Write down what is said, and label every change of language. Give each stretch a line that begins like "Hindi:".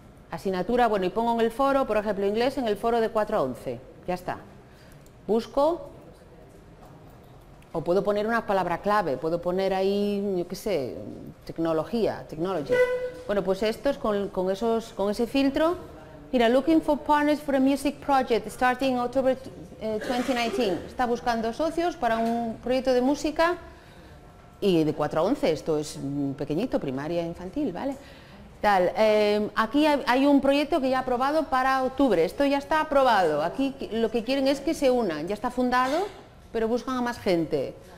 Spanish: Asignatura, bueno, y pongo en el foro, por ejemplo, inglés en el foro de 4 a 11, ya está. Busco, o puedo poner una palabra clave, puedo poner ahí, yo qué sé, tecnología, technology. Bueno, pues esto es con ese filtro.
English: Mira, looking for partners for a music project starting October 2019.
Spanish: Está buscando socios para un proyecto de música y de 4 a 11, esto es pequeñito, primaria infantil, ¿vale? Tal, aquí hay un proyecto que ya ha aprobado para octubre, esto ya está aprobado, aquí lo que quieren es que se unan, ya está fundado, pero buscan a más gente.